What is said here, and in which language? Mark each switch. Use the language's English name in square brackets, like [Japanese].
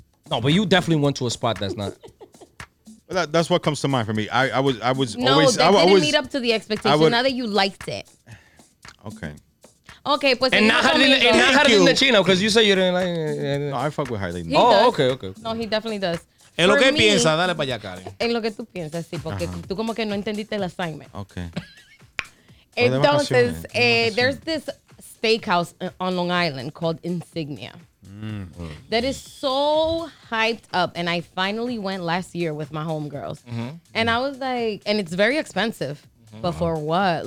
[English] No, but you definitely went to a spot that's not... that's what comes to mind for me. I was no, always... No, that I didn't always meet up to the expectation now that you liked it. Okay. [Spanish] Okay, pues. [English] And not Jardín de Chino, because you say you didn't like it. No, I fuck with Jardín. Oh, okay. No, he definitely does. [Spanish] En lo que piensa, dale para allá, Karen. En lo que tú piensas, sí, porque tú como que no entendiste el assignment. [English] Okay. Entonces, there's this steakhouse on Long Island called Insignia. That is so hyped up. And I finally went last year with my homegirls. Mm-hmm. And I was like, and it's very expensive. Mm-hmm. But for what?